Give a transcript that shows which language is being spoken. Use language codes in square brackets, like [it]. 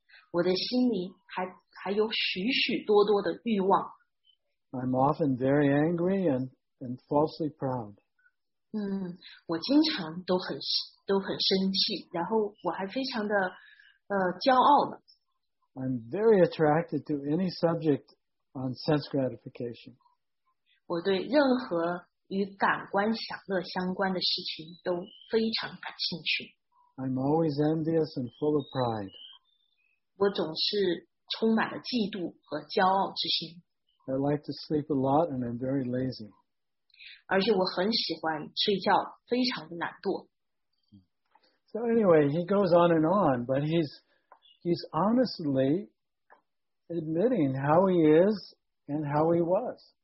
[zh] 我的心里 还有许许多多的欲望。 [en] I'm often very angry and falsely proud. [zh] 我经常都很生气，然后我还非常的骄傲呢。 [en] I'm very attracted to any subject on sense gratification. [zh] 我对任何与感官享乐相关的事情都非常感兴趣。 [en] I'm always envious and full of pride. [zh] 我总是充满了嫉妒和骄傲之心。 [en] I like to sleep a lot and I'm very lazy. [zh] 而且我很喜欢睡觉，非常的懒惰。 [en] So anyway, he goes on and on, but he's honestly admitting how he is and how he was.